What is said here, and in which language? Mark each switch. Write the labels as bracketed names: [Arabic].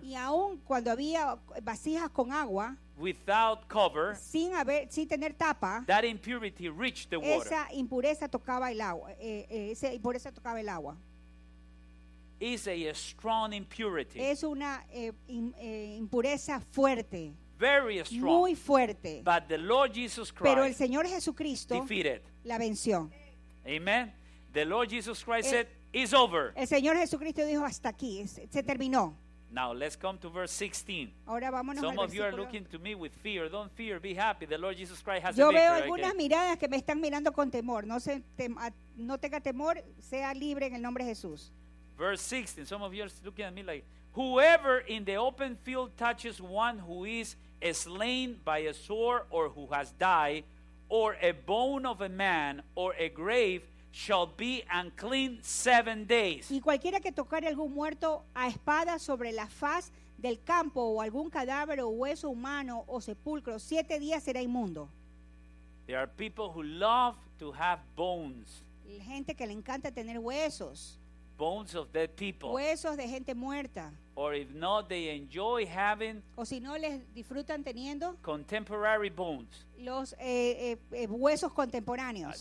[Spanish] Y aun cuando había vasijas con agua. [English] Without cover. [Spanish] Sin tener tapa. [English] That impurity reached the water. [Spanish] Esa impureza tocaba el agua. Esa impureza tocaba el agua. [English] Is a strong impurity. [Spanish] Es una impureza fuerte. [English] Very strong. [Spanish] Muy fuerte. [English] But the Lord Jesus Christ. [Spanish] Pero el Señor Jesucristo. [English] Defeated. [Spanish] La venció. [English] Amen. The Lord Jesus Christ said, "It's over." [Spanish] El Señor Jesucristo dijo, "Hasta aquí, se terminó." [English] Now let's come to verse 16. [Spanish] Ahora vámonos. [English] Some [Spanish] al [English] of you are looking to me with fear. Don't fear. Be happy. The Lord Jesus Christ has [Spanish] yo [English] a victory. [Spanish] Yo veo algunas miradas que me están mirando con temor. No tenga temor. Sea libre en el nombre de Jesús. [English] Verse 16. Some of you are looking at me like, "Whoever in the open field touches one who is slain by a sword, or who has died, or a bone of a man, or a grave, shall be unclean 7 days." [Spanish] Y cualquiera que tocare algún muerto a espada sobre la faz del campo, o algún cadáver o hueso humano o sepulcro, 7 días será inmundo. [English] There are people who love to have bones. [Spanish] La gente que le encanta tener huesos. [English] Bones of dead people. [Spanish] Huesos de gente muerta. [English] Or if not, they enjoy having. [Spanish] O si no, les disfrutan teniendo. [English] Contemporary bones. [Spanish] Los huesos contemporáneos.